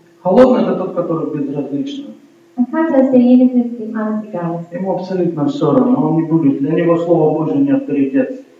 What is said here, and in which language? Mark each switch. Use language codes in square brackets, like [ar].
[ru] Холодный – это тот, который безразличный. [de] Ein kalter ist derjenige, dem alles egal ist. [ru] Ему абсолютно все равно, он не будет. Для него Слово Божие не авторитет.